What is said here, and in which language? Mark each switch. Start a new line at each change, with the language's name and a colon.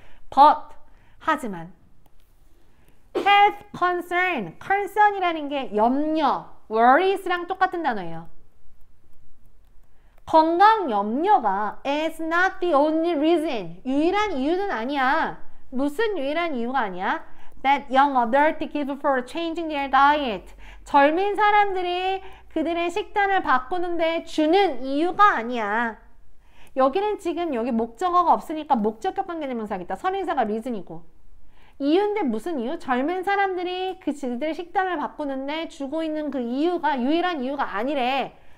Korean: but, 하지만 have concern, concern이라는 게 염려, worries랑 똑같은 단어예요. 건강 염려가
English: is not the only reason,
Korean: 유일한 이유는 아니야. 무슨 유일한 이유가 아니야?
English: That young adult give for changing their diet.
Korean: 젊은 사람들이 그들의 식단을 바꾸는데 주는 이유가 아니야. 여기는 지금 여기 목적어가 없으니까 목적격 관계대명사겠다. 선행사가 reason이고. 이유인데 무슨 이유? 젊은 사람들이 그 지들의 식단을 바꾸는데 주고 있는 그 이유가 유일한 이유가 아니래.